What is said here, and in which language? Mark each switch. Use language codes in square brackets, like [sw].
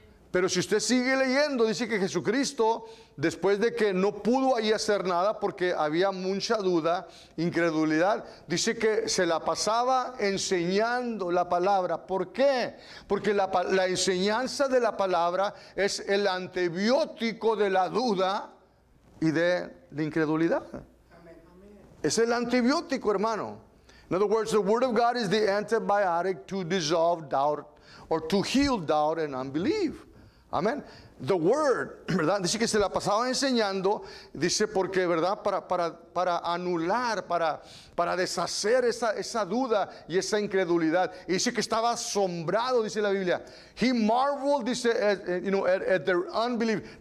[es] Pero si usted sigue leyendo, dice que Jesucristo, después de que no pudo ahí hacer nada porque había mucha duda, incredulidad, dice que se la pasaba enseñando la palabra. ¿Por qué? Porque la enseñanza de la palabra es el antibiótico de la duda y de la incredulidad. Es el antibiótico, hermano. [en] In other words, the word of God is the antibiotic to dissolve doubt or to heal doubt and unbelief. Amén. The word, ¿verdad? [es] Dice que se la pasaba enseñando, dice, porque, ¿verdad? Para anular, para deshacer esa duda y esa incredulidad. Y dice que estaba asombrado, dice la Biblia. [en] He marveled, [es] dice, [en] at their unbelief.